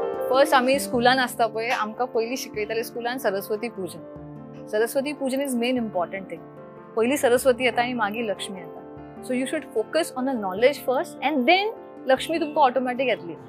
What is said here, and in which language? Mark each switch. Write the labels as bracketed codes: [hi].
[kok] फर्स्ट आम्ही स्कुलान असता पण आमकां पहिली शिकयताले स्कुलान सरस्वती पूजन. [en] सरस्वती पूजन is main important thing. [kok] पहिली सरस्वती येता आणि मागी लक्ष्मी येता. [en] so you should focus on a knowledge first and then [kok] Lakshmi तुमकां ऑटोमॅटीक येतली.